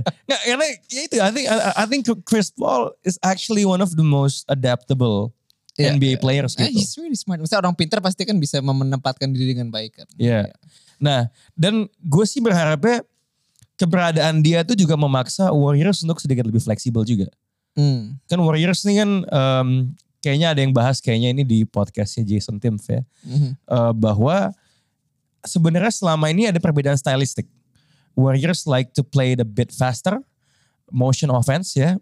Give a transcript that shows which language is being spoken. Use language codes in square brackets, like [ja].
[id] Nah, karena itu, [en] I think Chris Paul is actually one of the most adaptable NBA players gitu. He's really smart. [id] Maksudnya orang pintar pasti kan bisa menempatkan diri dengan baik kan. Iya. Nah, dan gue sih berharapnya keberadaan dia tuh juga memaksa Warriors untuk sedikit lebih fleksibel juga. Kan Warriors ini kan kayaknya ada yang bahas kayaknya ini di podcastnya Jason Timpf ya. Bahwa sebenarnya selama ini ada perbedaan stylistik. [en] Warriors like to play the bit faster, motion offense ya.